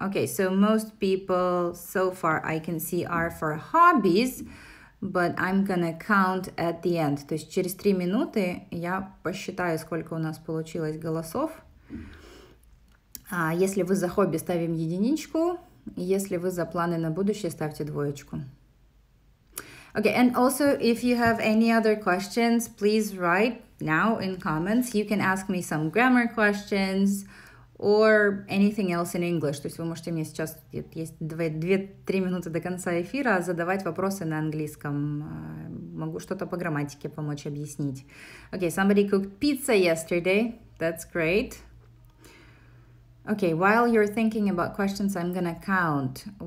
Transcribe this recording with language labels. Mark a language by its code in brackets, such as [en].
[en] Okay, so most people so far I can see are for hobbies, but I'm gonna count at the end. [ru] То есть через 3 минуты я посчитаю, сколько у нас получилось голосов. Если вы за хобби, ставим единичку. Если вы за планы на будущее, ставьте двоечку. [en] Okay, and also, if you have any other questions, please write now in comments. You can ask me some grammar questions or anything else in English. [ru] То есть вы можете мне сейчас, есть 2-3 минуты до конца эфира, задавать вопросы на английском. Могу что-то по грамматике помочь объяснить. [en] Okay, somebody cooked pizza yesterday. That's great. Okay, while you're thinking about questions, I'm gonna count.